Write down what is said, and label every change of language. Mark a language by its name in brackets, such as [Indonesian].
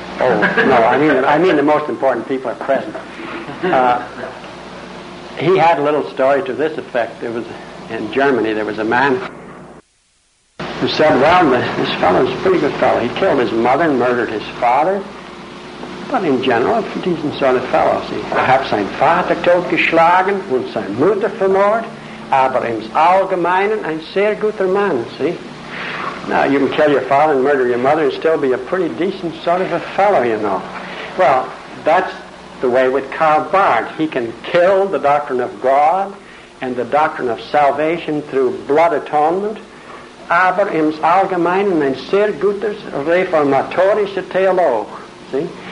[English] Oh, no, I mean the most important people are present. He had a little story to this effect. It was in Germany. There was a man who said, well, this fellow is a pretty good fellow. He killed his mother and murdered his father. But in general, a decent sort of fellow. See, perhaps [German] sein Vater totgeschlagen und seine Mutter vermord, aber im Allgemeinen ein sehr guter Mann, see? [English] Now, you can kill your father and murder your mother and still be a pretty decent sort of a fellow, you know. Well, that's the way with Karl Barth. He can kill the doctrine of God and the doctrine of salvation through blood atonement, [German] aber im Allgemeinen ein sehr guter reformatorischer Theolog, [English] see?